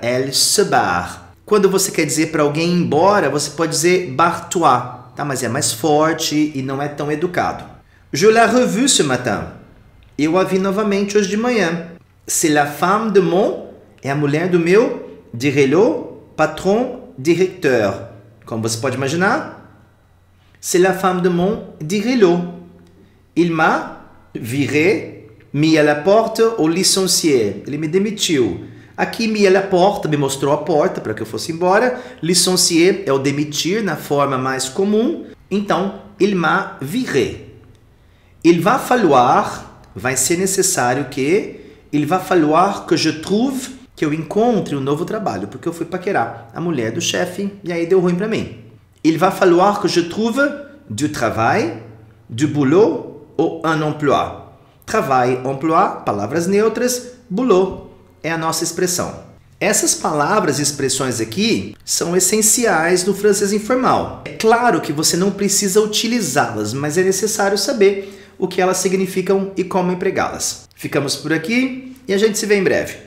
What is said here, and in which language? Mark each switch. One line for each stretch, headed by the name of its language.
French: Elle se barre.
Portuguese: Quando você quer dizer para alguém ir embora, você pode dizer barre-toi, tá? Mas é mais forte e não é tão educado.
French: Je l'ai revue ce matin.
Portuguese: Eu a vi novamente hoje de manhã.
French: C'est la femme de mon,
Portuguese: é a mulher do meu, direlo, patron, directeur. Como você pode imaginar?
French: C'est la femme de mon, direlo. Il m'a viré, mis à la porte ou licencié.
Portuguese: Ele me demitiu. Aqui,
French: mis à la porte,
Portuguese: me mostrou a porta para que eu fosse embora. Licencié é o demitir na forma mais comum.
French: Então, il m'a viré. Il va falloir,
Portuguese: vai ser necessário que...
French: Il va falloir que je trouve,
Portuguese: que eu encontre um novo trabalho, porque eu fui paquerar a mulher do chefe e aí deu ruim para mim.
French: Il va falloir que je trouve du travail, du boulot ou un emploi.
Portuguese: Travail, emploi, palavras neutras, boulot. É a nossa expressão. Essas palavras e expressões aqui são essenciais no francês informal. É claro que você não precisa utilizá-las, mas é necessário saber o que elas significam e como empregá-las. Ficamos por aqui e a gente se vê em breve.